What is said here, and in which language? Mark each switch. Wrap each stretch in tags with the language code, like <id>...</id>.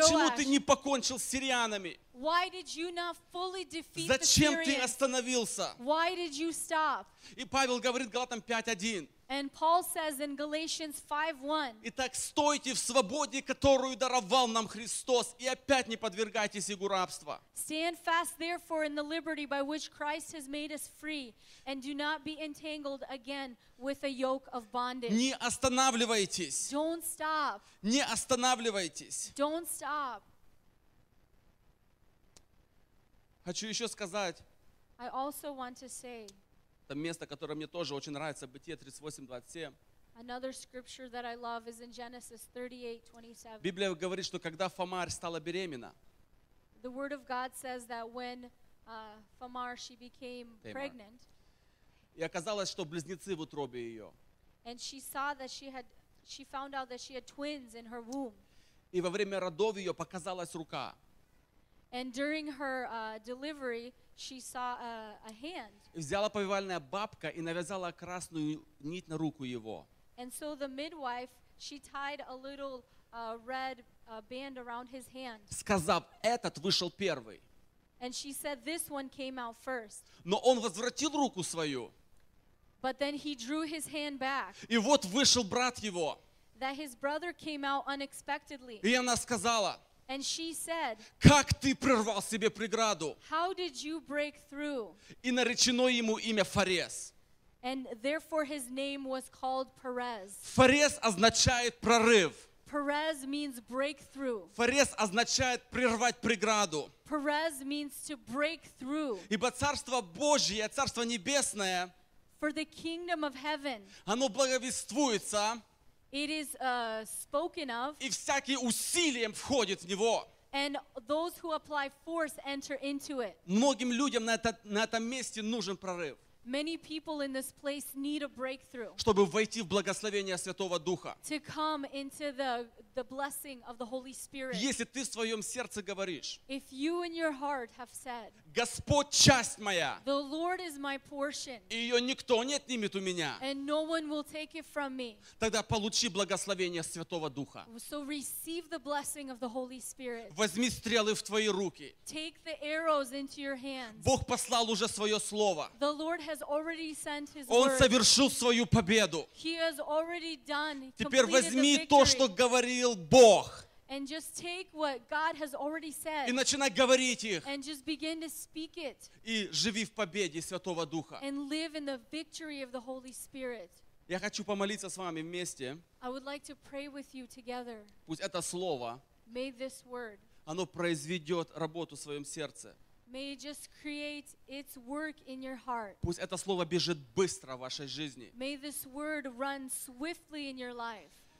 <ru>Почему ты не покончил с сирианами?</ru> <en>Why did you not fully defeat the Syrians?</en> <ru>Зачем ты остановился?</ru> <en>Why did you stop?</en> <ru>И Павел говорит Галатам 5:1.</ru> <en>And Paul says in Galatians 5:1.</en> <ru>Итак, стойте в свободе, которую даровал нам Христос, и опять не подвергайтесь игу рабства.</ru> <en>Stand fast therefore in the liberty by which Christ has made us free, and do not be entangled again with a yoke of bondage.</en> <ru>Не останавливайтесь.</ru> <en>Don't stop.</en> <ru>Не останавливайтесь.</ru> <en>Don't stop.</en> <ru>Хочу еще сказать.</ru> <en>I also want to say.</en> <ru>Это место, которое мне тоже очень нравится, Бытие 38:27.</ru> <en>Another scripture that I love is in Genesis 38:27.</en> <ru>Библия говорит, что когда Фамар стала беременна.</ru> <en>The word of God says that when Фамар she became pregnant.</en> <ru>И оказалось, что близнецы в утробе ее.</ru> <en>And she saw that she found out that she had twins in her womb.</en> <ru>И во время родов ее показалась рука.</ru> <en>And during her delivery, she saw a hand.</en> <ru>Взяла повивальная бабка и навязала красную нить на руку его.</ru> <en>And so the midwife, she tied a little red band around his hand.</en> <ru>Сказав, этот вышел первый.</ru> <en>And she said, this one came out first.</en> <ru>Но он возвратил руку свою.</ru> <en>But then he drew his hand back.</en> <ru>И вот вышел брат его.</ru> <en>That his brother came out unexpectedly.</en> <ru>И она сказала.</ru> <en>And she said,</en> <ru>как ты прервал себе преграду?</ru> <en>How did you break through?</en> <ru>И наречено ему имя Фарес.</ru> <en>And therefore his name was called Perez.</en> <ru>Фарес означает прорыв.</ru> <en>Perez means breakthrough.</en> <ru>Фарес означает прервать преграду.</ru> <en>Perez means to break through.</en> <ru>Ибо Царство Божие, Царство Небесное,</ru> <en>for the kingdom of heaven,</en> <ru>оно благовествуется.</ru> <en>It is spoken of.</en> <ru>И всякий усилием входит в него.</ru> <en>And those who apply force enter into it.</en> <ru>Многим людям на этом месте нужен прорыв.</ru> <en>Many people in this place need a breakthrough.</en> <ru>Чтобы войти в благословение Святого Духа.</ru> <en>To come into the blessing of the Holy Spirit.</en> <ru>Если ты в своём сердце говоришь.</ru> <en>If you in your heart have said.</en> <ru>Господь часть моя.</ru> <en>The Lord is my portion.</en> <ru>И её никто не отнимет у меня.</ru> <en>And no one will take it from me.</en> <ru>Тогда получи благословение Святого Духа.</ru> <en>So receive the blessing of the Holy Spirit.</en> <ru>Возьми стрелы в твои руки.</ru> <en>Take the arrows into your hands.</en> <ru>Бог послал уже своё слово.</ru> <en>The Lord has already sent his word.</en> <ru>Он совершил свою победу.</ru> <en>He has already done.</en> <ru>Теперь возьми то, что говорил Бог.</ru> <en>And just take what God has already said.</en> <ru>И начинай говорить их.</ru> <en>And just begin to speak it.</en> <ru>И живи в победе Святого Духа.</ru> <en>And live in the victory of the Holy Spirit.</en> <ru>Я хочу помолиться с вами вместе.</ru> <en>I would like to pray with you together.</en> <ru>Пусть это слово,</ru> <en>may this word,</en> <ru>оно произведёт работу в своём сердце.</ru> <en>May it just create its work in your heart.</en> <ru>Пусть это слово бежит быстро в вашей жизни.</ru> <en>May this word run swiftly in your life.</en>